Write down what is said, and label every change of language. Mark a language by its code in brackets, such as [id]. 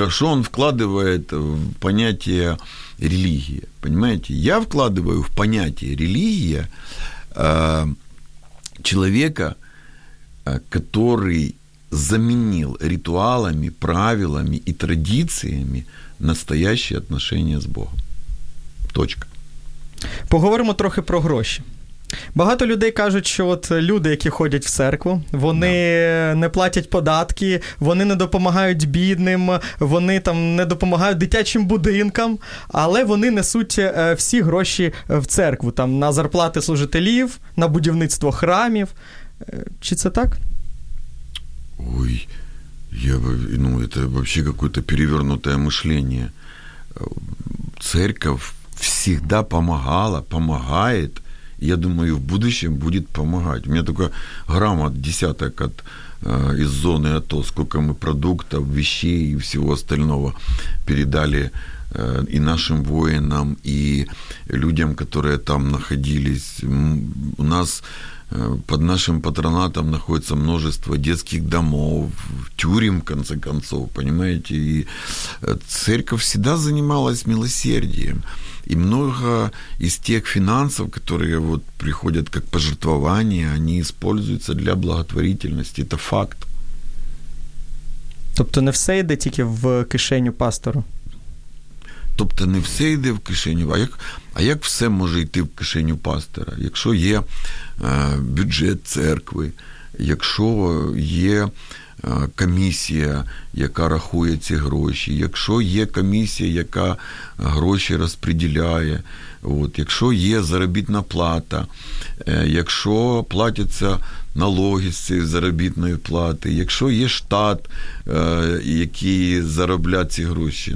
[ru] Что он вкладывает в понятие религии? Понимаете? Я вкладываю в понятие религия человека, который заменил ритуалами, правилами и традициями настоящие отношения с Богом. Точка. [uk] Поговоримо трохи про гроші. Багато людей кажуть, що от люди, які ходять в церкву, вони не платять податки, вони не допомагають бідним, вони там не допомагають дитячим будинкам, але вони несуть всі гроші в церкву, там на зарплати служителів, на будівництво храмів. Чи це так? [ru] Ой, я бы, ну, это вообще какое-то перевернутое мышление. Церковь всегда помогала, помогает. Я думаю, в будущем будет помогать. У меня только грамот десяток от из зоны АТО, сколько мы продуктов, вещей и всего остального передали и нашим воинам, и людям, которые там находились. У нас под нашим патронатом находится множество детских домов, тюрем, в конце концов, понимаете? И церковь всегда занималась милосердием. И много из тех финансов, которые вот приходят как пожертвования, они используются для благотворительности. Это факт. [uk] Тобто не все йде тільки в кишеню пастору? Тобто не все йде в кишеню, а як все може йти в кишеню пастора? Якщо є бюджет церкви, якщо є комісія, яка рахує ці гроші, якщо є комісія, яка гроші розподіляє, от, якщо є заробітна плата, якщо платяться налоги з цієї заробітної плати, якщо є штат, який заробляє ці гроші.